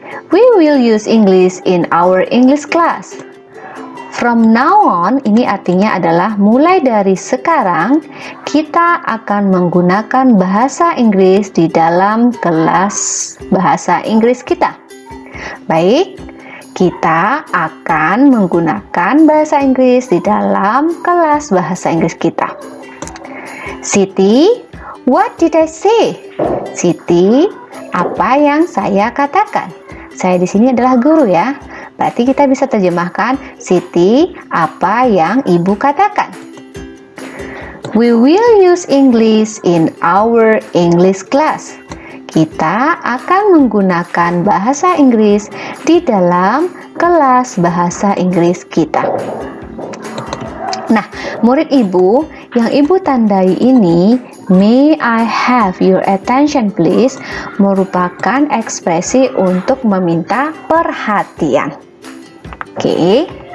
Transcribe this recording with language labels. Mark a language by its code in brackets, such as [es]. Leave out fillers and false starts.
[en] We will use English in our English class. From now on, [id] ini artinya adalah mulai dari sekarang, kita akan menggunakan bahasa Inggris di dalam kelas bahasa Inggris kita. Baik, kita akan menggunakan bahasa Inggris di dalam kelas bahasa Inggris kita. Siti, [en] what did I say? [id] Siti, apa yang saya katakan? Saya di sini adalah guru ya. Berarti kita bisa terjemahkan, Siti, apa yang ibu katakan? [en] We will use English in our English class. [id] Kita akan menggunakan bahasa Inggris di dalam kelas bahasa Inggris kita. Nah, murid ibu, yang ibu tandai ini, [en] may I have your attention please, [id] merupakan ekspresi untuk meminta perhatian. Oke.